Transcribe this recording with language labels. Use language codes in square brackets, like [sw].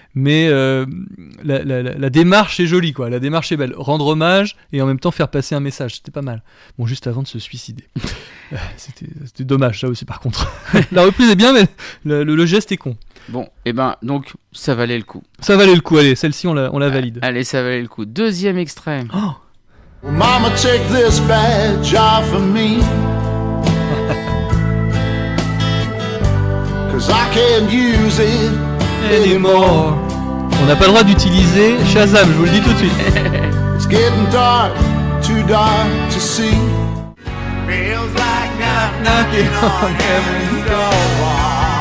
[fr] Mais la démarche est jolie, quoi. La démarche est belle. Rendre hommage et en même temps faire passer un message. C'était pas mal. Bon, juste avant de se suicider. c'était dommage, ça aussi, par contre. La reprise est bien, mais le geste est con. Bon, et ben, donc, ça valait le coup. Ça valait le coup, allez, celle-ci, on la valide. Allez, ça valait le coup. Deuxième extrait. Oh. [en] Mama, take this badge off of me. Cause I can't use it anymore. [fr] On n'a pas le droit d'utiliser Shazam, je vous le dis tout de suite. [en] It's getting dark, too dark to see. Feels like not knocking on heaven's door.